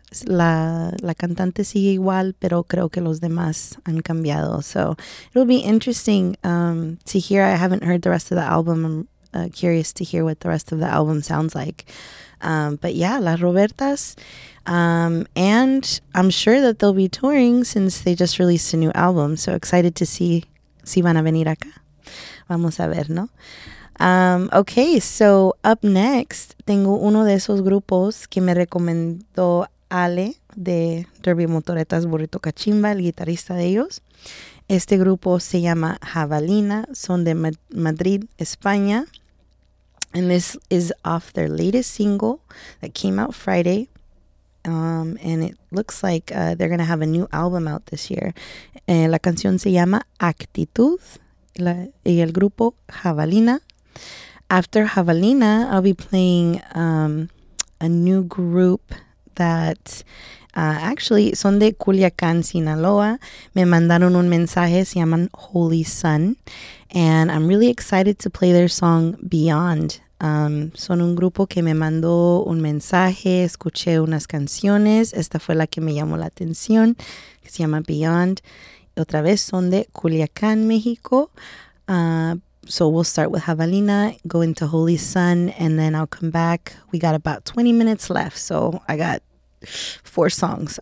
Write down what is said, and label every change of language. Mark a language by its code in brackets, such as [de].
[es] La cantante sigue igual, pero creo que los demás han cambiado. [en] So it'll be interesting to hear. I haven't heard the rest of the album. Curious to hear what the rest of the album sounds like. But yeah, Las Robertas. And I'm sure that they'll be touring since they just released a new album. So excited to see [es] si van a venir acá. Vamos a ver, ¿no? [en] Okay, so up next, [es] tengo uno de esos grupos que me recomendó Ale de Derby Motoretas Burrito Cachimba, el guitarrista de ellos. Este grupo se llama Javalina, son de Madrid, España. [en] And this is off their latest single that came out Friday. And it looks like they're going to have a new album out this year. [es] La canción se llama Actitud y el grupo Javalina. [en] After Javalina, I'll be playing a new group that actually [es] son de Culiacán, Sinaloa. Me mandaron un mensaje, se llaman Holy Sun. [en] And I'm really excited to play their song Beyond. [es] Son un grupo que me mandó un mensaje, escuché unas canciones, esta fue la que me llamó la atención, que se llama Beyond. Otra vez son de Culiacán, México. [en] So we'll start with Javalina, go into Holy Sun, and then I'll come back. We got about 20 minutes left, so I got 4 songs.